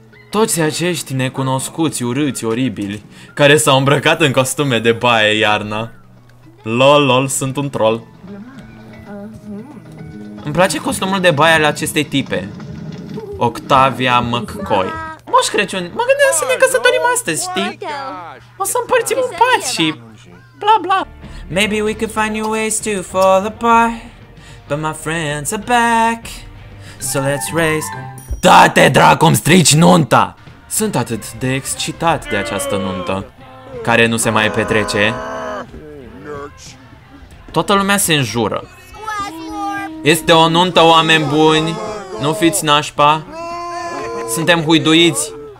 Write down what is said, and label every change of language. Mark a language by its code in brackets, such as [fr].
[ro] Toți acești necunoscuți, urâți, oribili, care s-au îmbrăcat în costume de baie iarna. Lol, lol, sunt un troll. Îmi place costumul de baie al acestei tipe. Octavia McCoy. Moș Crăciun, mă gândeam să ne căsătorim astăzi, știi? O să împărțim un pat și... bla bla. [en] Maybe we could find new ways to fall apart, but my friends are back, so let's race... [ro] Da-te, dracu-mi strici nunta! Sunt atât de excitat de această nuntă, care nu se mai petrece. Toată lumea se înjură. Este o nuntă, oameni buni! Nu fiți nașpa! Suntem huiduiți!